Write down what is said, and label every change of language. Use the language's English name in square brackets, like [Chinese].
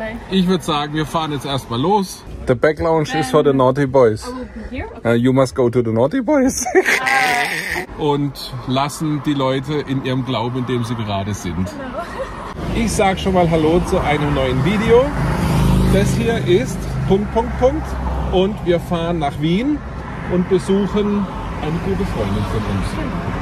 [German] ich würde sagen, wir fahren jetzt erstmal los. [English] The back lounge is for the naughty boys. Okay. You must go to the naughty boys. [German] Und lassen die Leute in ihrem Glauben, in dem sie gerade sind. Genau. Ich sag schon mal Hallo zu einem neuen Video. Das hier ist Punkt, Punkt, Punkt. Und wir fahren nach Wien und besuchen eine gute Freundin von uns.